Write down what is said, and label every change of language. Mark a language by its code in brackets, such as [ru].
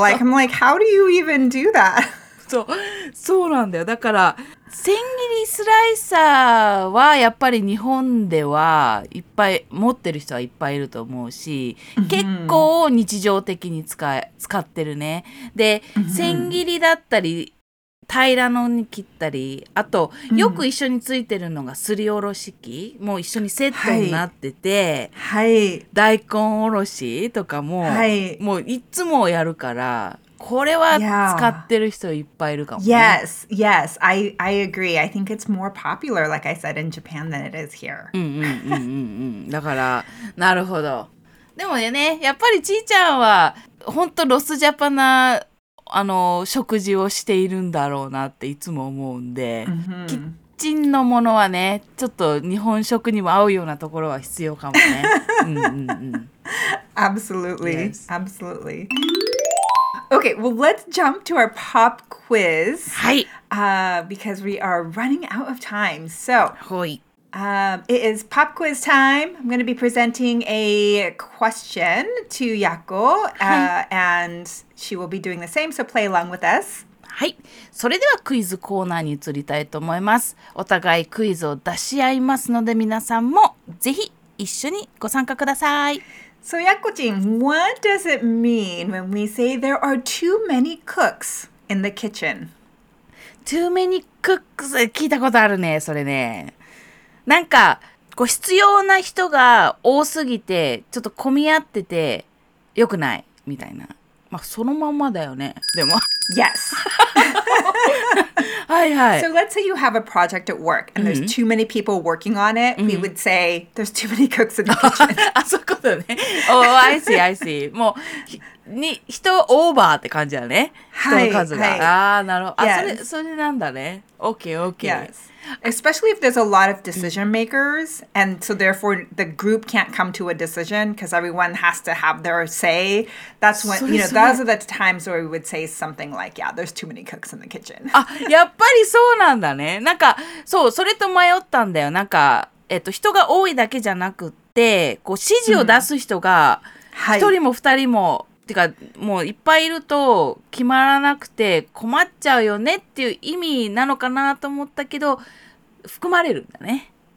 [en] Like I'm like, how do you even do that? [ja] そうなんだよ。だから千切りスライサーはやっぱり日本ではいっぱい持ってる人はいっぱいいると思うし、結構日常的に使ってるね。で千切りだったり平らのに切ったり、あとよく一緒についてるのがすりおろし器、もう一緒にセットになってて、はい、大根おろしとかも、はい、もういつもやるから、これは使ってる人いっぱいいるかも、ね、 [en] Yes, yes, I agree. I think it's more popular, like I said, in Japan than it is here. [ja] だから、なるほど。でもね、やっぱりちーちゃんは本当ロスジャパナあの食事をしているんだろうなっていつも思うんで、キッチンのものはね、ちょっと日本食にも合うようなところは必要かもね。 [en] Absolutely,、yes. absolutely. Okay, well, let's jump to our pop quiz. [ja] はい。 [en] Because we are running out of time. So, [ja] はい。 [en] It is pop quiz time. I'm going to be presenting a question to Yako, and she will be doing the same. So play along with us. [ja] はい。それではクイズコーナーに移りたいと思います。お互いクイズを出し合いますので、皆さんもぜひ一緒にご参加ください。 [en] So Yako-jin, what does it mean when we say there are too many cooks in the kitchen? Too many cooks? [ja] 聞いたことあるね、それね。なんかこう必要な人が多すぎてちょっと混み合ってて良くないみたいな、まあそのままだよね。でも [en] Yes. So let's say you have a project at work and there's too many people working on it. We would say there's too many cooks in the kitchen. [ja] あ、そういうことね。 [en] Oh, I see, I see. [ja] もうに人オーバーって感じだね。はい、人の数が。はい、あ、なるほど。 [en] Yes. [ja] あ、それなんだね。 [en] Okay, okay. Yes. Especially if there's a lot of decision makers, and so therefore the group can't come to a decision because everyone has to have their say. That's when, you know, those are the times where we would say something like, yeah, there's too many cooks in the kitchen. [ja] やっぱりそうなんだね。なんか、そう、それと迷ったんだよ。なんか、人が多いだけじゃなくて、こう指示を出す人が一人も二人も、てかもういっぱいいると決まらなくて困っちゃうよねっていう意味なのかなと思ったけど含まれるんだね。